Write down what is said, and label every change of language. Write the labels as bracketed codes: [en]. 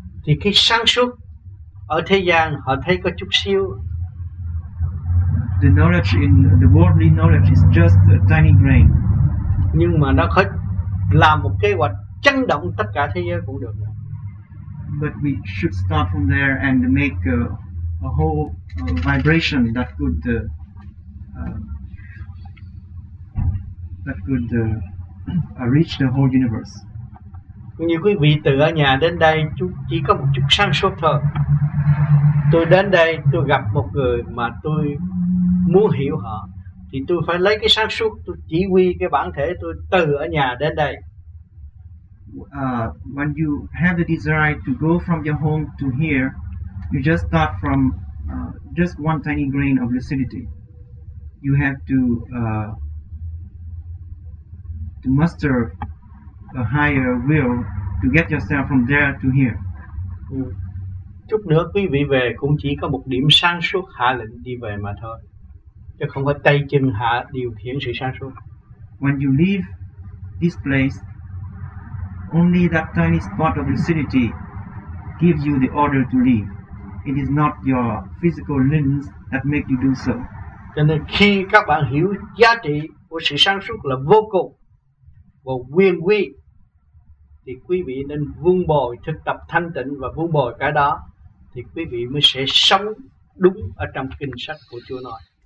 [vi] Thì cái sáng suốt ở thế gian họ thấy có chút xíu. [en] The knowledge in the worldly knowledge is just a tiny grain. [vi] Nhưng mà nó có làm một kế hoạch chấn động tất cả thế giới cũng được. [en] But we should start from there and make a whole vibration that could reach the whole universe. [vi] Như quý vị từ ở nhà đến đây chỉ có một chút sáng suốt thôi. Tôi đến đây tôi gặp một người mà tôi muốn hiểu họ, thì tôi phải lấy cái sáng suốt tôi chỉ huy cái bản thể tôi từ ở nhà đến đây. [en] When you have the desire to go from your home to here, you just start from just one tiny grain of lucidity. You have to muster a higher will to get yourself from there to here. [vi] Chút nữa quý vị về cũng chỉ có một điểm sáng suốt hạ lệnh đi về mà thôi, chứ không có tay chân hạ điều khiển sự sáng suốt. [en] When you leave this place, only that tiny spot of lucidity gives you the order to leave. It is not your physical limbs that make you do so. [vi] Cho nên khi các bạn hiểu giá trị của sự sáng suốt là vô cùng và nguyên quy, thì quý vị nên vun bồi thực tập thanh tịnh và vun bồi cái đó, thì quý vị mới sẽ sống đúng ở trong kinh sách của Chúa nói.